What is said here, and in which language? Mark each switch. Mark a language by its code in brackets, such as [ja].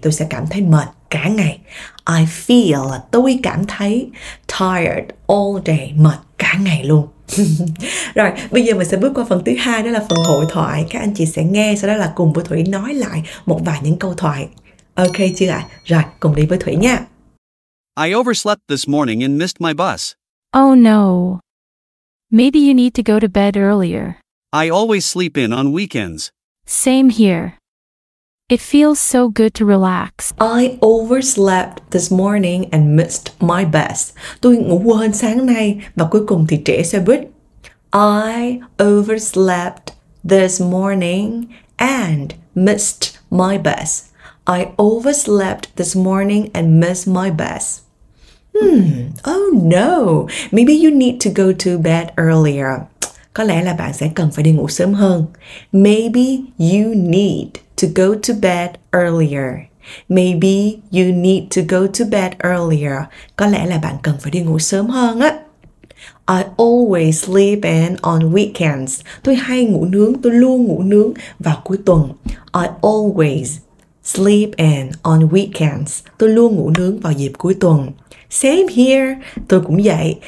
[vi] Tôi sẽ cảm thấy mệt cả ngày. I feel là tôi cảm thấy tired all day, mệt cả ngày luôn. Rồi, bây giờ mình sẽ bước qua phần thứ hai, đó là phần hội thoại. Các anh chị sẽ nghe, sau đó là cùng với Thủy nói lại một vài những câu thoại. Ok chưa ạ? Rồi, cùng đi với Thủy nha. [en] I overslept this morning and missed my bus. Oh no. Maybe you need to go to bed earlier. I always sleep in on weekends. Same here. It feels so good to relax. I overslept this morning and missed my bus. [vi] Tôi ngủ quên sáng nay và cuối cùng thì trễ xe buýt. [en] I overslept this morning and missed my bus. I overslept this morning and missed my bus. Oh no. Maybe you need to go to bed earlier. [vi] Có lẽ là bạn sẽ cần phải đi ngủ sớm hơn. [en] Maybe you need to go to bed earlier. Maybe you need to go to bed earlier. [vi] Có lẽ là bạn cần phải đi ngủ sớm hơn á. [en] I always sleep in on weekends. [vi] Tôi hay ngủ nướng, tôi luôn ngủ nướng vào cuối tuần. [en] I always sleep in on weekends. [vi] Tôi luôn ngủ nướng vào dịp cuối tuần. [en] Same here. [vi] Tôi cũng vậy.